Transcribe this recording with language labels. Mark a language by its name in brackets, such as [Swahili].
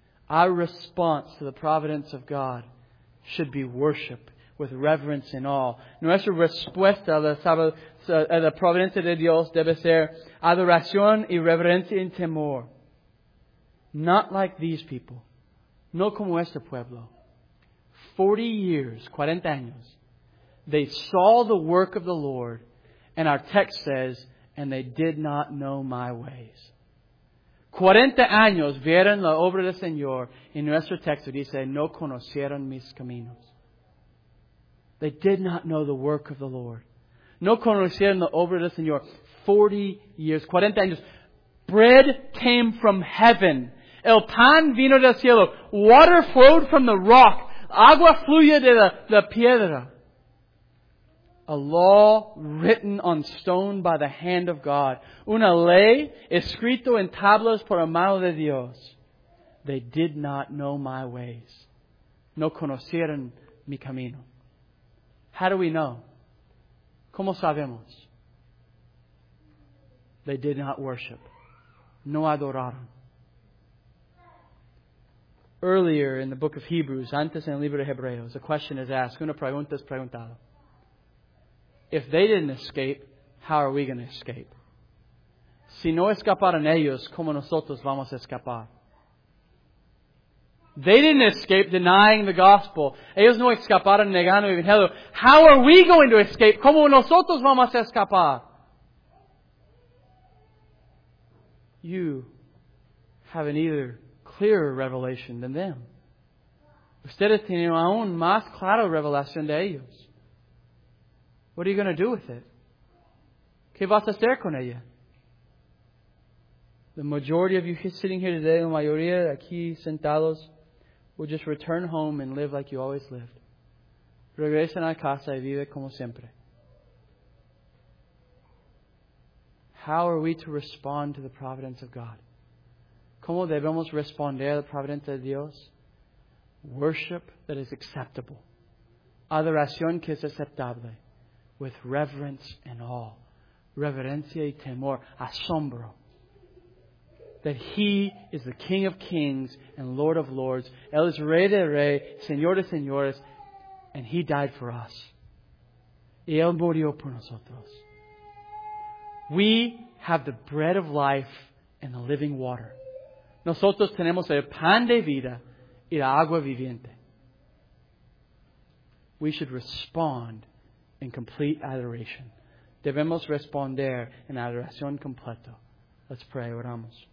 [English] Our response to the providence of God should be worship with reverence and awe. [Spanish] Nuestra respuesta a la providencia de Dios debe ser adoración y reverencia y temor. [English] Not like these people, [Spanish] no como este pueblo. [English] 40 years, [Spanish] 40 años. [English] They saw the work of the Lord, and our text says, and they did not know my ways. [Spanish] 40 años vieron la obra del Señor, y nuestro texto dice, no conocieron mis caminos. [English] They did not know the work of the Lord. [Spanish] No conocieron la obra del Señor. [English] 40 years, [Spanish] 40 años. [English] Bread came from heaven. [Spanish] El pan vino del cielo. [English] Water flowed from the rock. [Spanish] Agua fluye de la piedra. [English] A law written on stone by the hand of God. [Spanish] Una ley escrito en tablas por la mano de Dios. [English] They did not know my ways. [Spanish] No conocieron mi camino. [English] How do we know? [Spanish] ¿Cómo sabemos? [English] They did not worship. No adoraron. Earlier in the book of Hebrews, [Spanish] antes en el libro de Hebreos, [English] a question is asked. [Spanish] Una pregunta es preguntada. [English] If they didn't escape, how are we going to escape? [Spanish] Si no escaparon ellos, ¿cómo nosotros vamos a escapar? [English] They didn't escape denying the gospel. [Spanish] Ellos no escaparon negando el evangelio. [English] How are we going to escape? [Spanish] ¿Cómo nosotros vamos a escapar? [English] You have an either clearer revelation than them. [Spanish] Ustedes tienen aún más clara revelación de ellos. [English] What are you going to do with it? [Spanish] ¿Qué vas a hacer con ella? [English] The majority of you sitting here today, [Spanish] la mayoría aquí sentados, [English] will just return home and live like you always lived. [Spanish] Regresen a casa y vive como siempre. [English] How are we to respond to the providence of God? [Spanish] ¿Cómo debemos responder a la providencia de Dios? [English] Worship that is acceptable. [Spanish] Adoración que es aceptable. [English] With reverence and awe. [Spanish] Reverencia y temor. Asombro. [English] That He is the King of kings and Lord of lords. [Spanish] Él es Rey de Rey, Señor de Señores. [English] And He died for us. [Spanish] Y Él murió por nosotros. [English] We have the bread of life and the living water. [Spanish] Nosotros tenemos el pan de vida y la agua viviente. [English] We should respond in complete adoration. [Spanish] Debemos responder en adoración completo. [English] Let's pray. [Spanish] Oramos.